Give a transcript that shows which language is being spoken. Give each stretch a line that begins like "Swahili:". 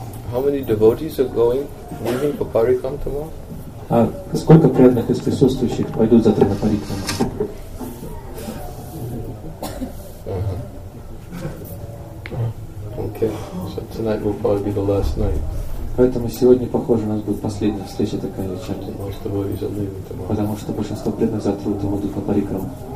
English: How many devotees are going, leaving for Parikram tomorrow?
Russian: Сколько преданных из присутствующих пойдут завтра на Парикрам?
English: Okay, so tonight will probably be the last night.
Russian: Поэтому сегодня, похоже, у нас будет последняя встреча такая вечерняя.
English: Most devotees are leaving tomorrow.
Russian: Потому что большинство преданных завтра уйдут по Парикрам.